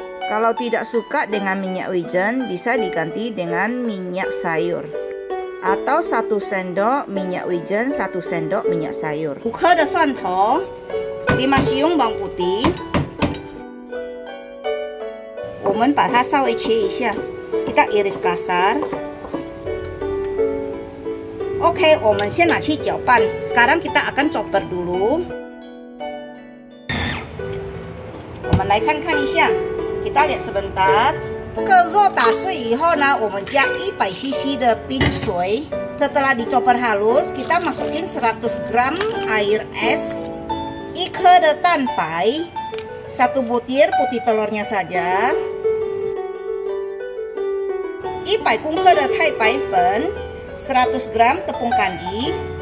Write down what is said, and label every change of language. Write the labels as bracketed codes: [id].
[id] Kalau tidak suka dengan minyak wijen, bisa diganti dengan minyak sayur atau 1 sendok minyak wijen, 1 sendok minyak sayur. [zh] 5克的蒜头， [id] 5 siung bawang putih. [zh] 我们把它稍微切一下， [id] kita iris kasar. Oke, [zh] 我们先拿去搅拌。 [id] Sekarang kita akan chopper dulu. [zh] 我们来看看一下， [id] kita lihat sebentar. [zh] 这个肉打碎以后呢， 我们加100cc的冰水。 [id] Setelah di chopper halus, kita masukin 100 gram air es, [zh] 1克的蛋白， [id] 1 butir putih telurnya saja, [zh] 100克的太白粉， [id] 100 gram tepung kanji.